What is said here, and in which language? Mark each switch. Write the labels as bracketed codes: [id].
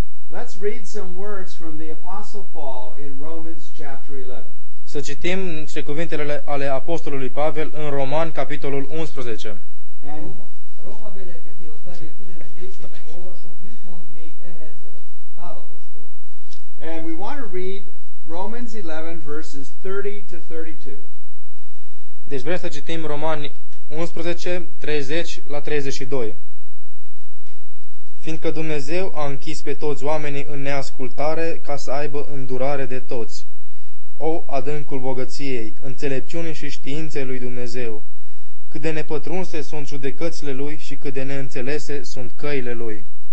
[en] Let's read some words from the Apostle Paul in Romans chapter 11. [ro] Să citim niște cuvintele ale Apostolului Pavel în Roman capitolul 11. [en] And we want to read Romans 11 verses 30 to 32. [ro] Deci vrem să citim Romani 11, 30 la 32. Fiindcă Dumnezeu a închis pe toți oamenii în neascultare ca să aibă îndurare de toți. O, adâncul bogăției, înțelepciunii și științei lui Dumnezeu, cât de nepătrunse sunt judecățile lui și cât de neînțelese sunt căile lui.